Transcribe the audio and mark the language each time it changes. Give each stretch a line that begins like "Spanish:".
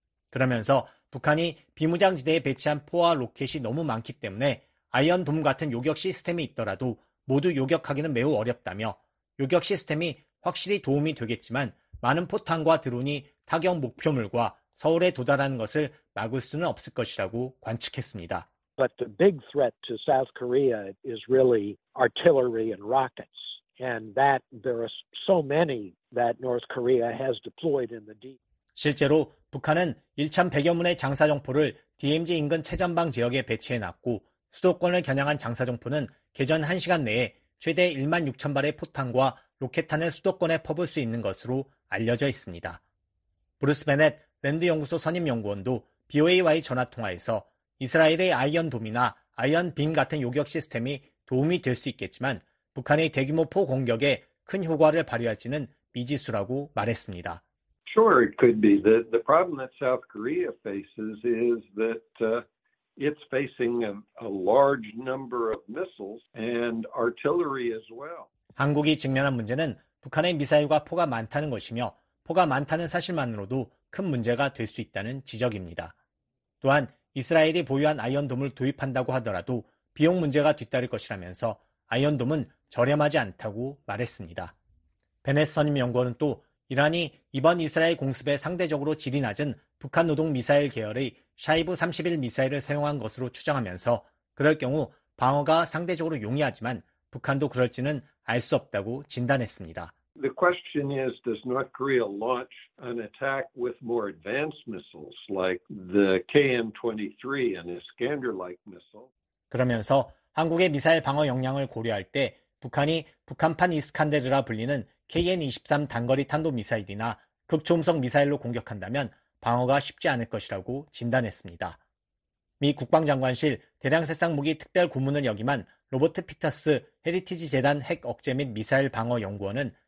Korean: 그러면서 북한이 비무장지대에 배치한 포와 로켓이 너무 많기 때문에 아이언돔 같은 요격 시스템이 있더라도 모두 요격하기는 매우 어렵다며 요격 시스템이 확실히 도움이 되겠지만 많은 포탄과 드론이 타격 목표물과 서울에 도달하는 것을 막을 수는 없을 것이라고 관측했습니다.
English: But the big threat to South Korea is really artillery and rockets. And that there are so many that North Korea has deployed in the deep.
Korean: 실제로 북한은 1,100여 문의 장사정포를 DMZ 인근 최전방 지역에 배치해 놨고 수도권을 겨냥한 장사정포는 개전 1시간 내에 최대 1만 6천 발의 포탄과 로켓탄을 수도권에 퍼부을 수 있는 것으로 알려져 있습니다. 브루스 베넷 랜드 연구소 선임 연구원도 BOA와의 전화 통화에서 이스라엘의 아이언 돔이나 아이언 빔 같은 요격 시스템이 도움이 될 수 있겠지만 북한의 대규모 포 공격에 큰 효과를 발휘할지는 미지수라고 말했습니다.
English: Sure, it could be. The problem that South Korea faces is that it's facing a large number of missiles and artillery as well.
Korean: 한국이 직면한 문제는 북한의 미사일과 포가 많다는 것이며 포가 많다는 사실만으로도 큰 문제가 될 수 있다는 지적입니다. 또한 이스라엘이 보유한 아이언돔을 도입한다고 하더라도 비용 문제가 뒤따를 것이라면서 아이언돔은 저렴하지 않다고 말했습니다. 베넷 선임 연구원은 또 이란이 이번 이스라엘 공습에 상대적으로 질이 낮은 북한 노동 미사일 계열의 샤이브 31 미사일을 사용한 것으로 추정하면서 그럴 경우 방어가 상대적으로 용이하지만 북한도 그럴지는 알 수 없다고 진단했습니다.
English: The question is, does North Korea launch an attack with more advanced missiles like the KM-23 and Iskander-like missile?
Korean: 그러면서 한국의 미사일 방어 역량을 고려할 때 북한이 북한판 이스칸데르라 불리는 KN-23 단거리 탄도미사일이나 극초음속 미사일로 공격한다면 방어가 쉽지 않을 것이라고 진단했습니다. 미 국방장관실 대량살상무기 특별고문을 역임한 로버트 피터스 헤리티지 재단 핵 억제 및 미사일 방어 연구원은